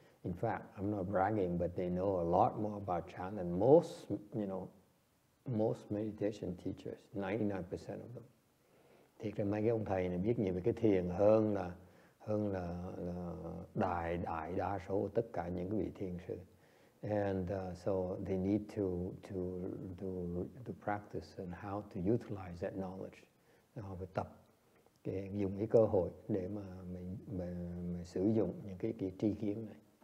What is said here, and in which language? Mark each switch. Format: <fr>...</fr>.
<en>In fact, I'm not bragging, but they know a lot more about chan than most, you know, most meditation teachers, 99% of them.</en> <vi>Thiệt là mấy cái ông thầy này biết nhiều về cái thiền hơn là đại đa số tất cả những cái vị thiền sư.</vi> <en>And so they need to practice and how to utilize that knowledge.</en> <vi>Họ phải tập dùng cái cơ hội để mà sử dụng những cái tri kiến này.</vi>